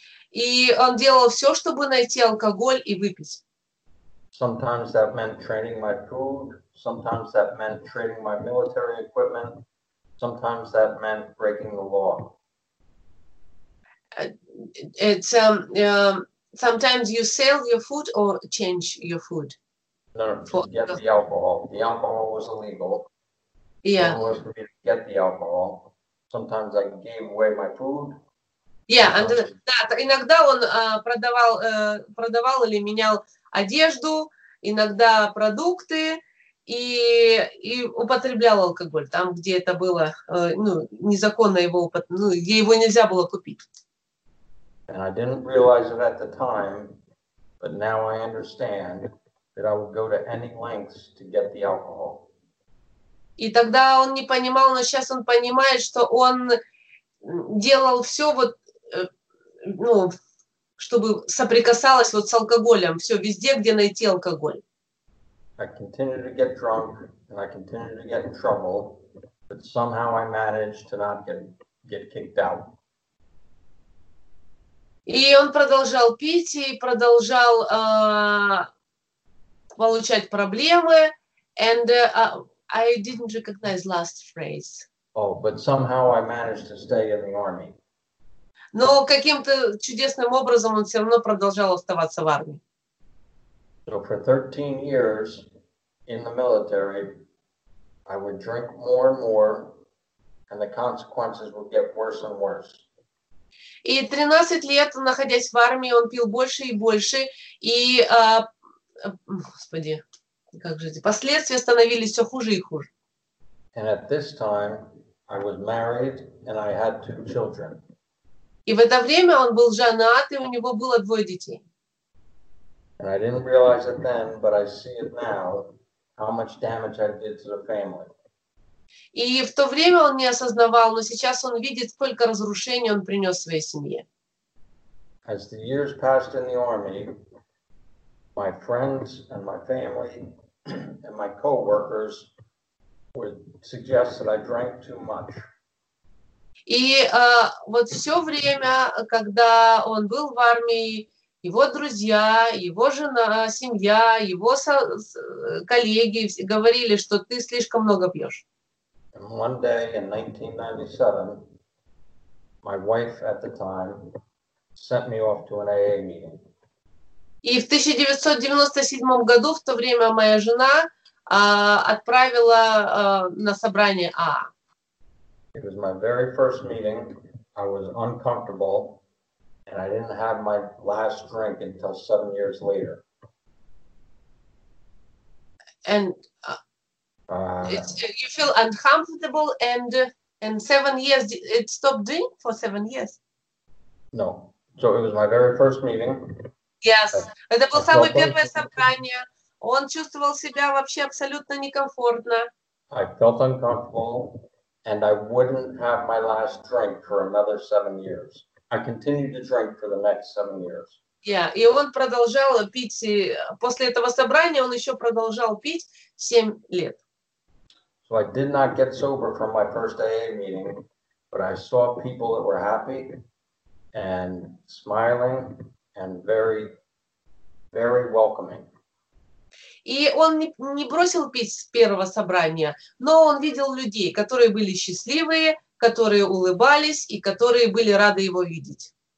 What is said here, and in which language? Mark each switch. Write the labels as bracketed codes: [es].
[ru] И он делал все, чтобы найти алкоголь и выпить. [en] Sometimes that meant trading my food, sometimes that meant trading my military equipment, sometimes that meant breaking the law. It's sometimes you sell your food or change your food. No, for, get the alcohol. The alcohol was illegal. Yeah. It was for me to get the alcohol. Sometimes I gave away my food. Yeah, and that [ru] иногда он продавал или менял одежду, иногда продукты и употреблял алкоголь там, где это было незаконно его где его нельзя было купить. [en] And I didn't realize it at the time, but now I understand that I would go to any lengths to get the alcohol. [ru] И тогда он не понимал, но сейчас он понимает, что он делал все вот, ну, чтобы соприкасалось вот с алкоголем, все везде, где найти алкоголь. [en] I continued to get drunk and I continued to get in trouble, but somehow I managed to not get kicked out. [ru] И он продолжал пить и продолжал получать проблемы. [en] And I didn't recognize last phrase. Oh, but somehow I managed to stay in the army. [ru] Но каким-то чудесным образом он все равно продолжал оставаться в армии. [en] So for 13 years in the military, I would drink more and more, and the consequences would get worse and worse. [ru] И 13 лет, находясь в армии, он пил больше и больше, и, господи, как же эти последствия становились все хуже и хуже. [en] And at this time, I was married, and I had two children. [ru] И в это время он был женат, и у него было двое детей. [en] And I didn't realize it then, but I see it now, how much damage I did to the family. [ru] И в то время он не осознавал, но сейчас он видит, сколько разрушений он принес своей семье. [en] As the years passed in the army, my friends and my family and my coworkers would suggest that I drank too much. [ru] И вот все время, когда он был в армии, Его друзья, его жена, семья, его коллеги говорили, что ты слишком много пьешь. [en] One day in 1997, my wife at the time sent me off to an AA meeting. [ru] И в 1997 году, в то время, моя жена отправила на собрание АА. [en] It was my very first meeting. I was uncomfortable. And I didn't have my last drink until 7 years later. And you feel uncomfortable and 7 years, it stopped drinking for 7 years? No. So it was my very first meeting. Yes. [ru] Это было самое первое собрание. Он чувствовал себя вообще абсолютно некомфортно. [en] I felt uncomfortable and I wouldn't have my last drink for another 7 years. I continued to drink for the next 7 years. Yeah, [ru] и он продолжал пить, после этого собрания он еще продолжал пить 7 лет. [en] So I did not get sober from my first AA meeting, but I saw people that were happy and smiling and very, very welcoming. [ru] И он не бросил пить с первого собрания, но он видел людей, которые были счастливые, которые улыбались и которые были рады его видеть.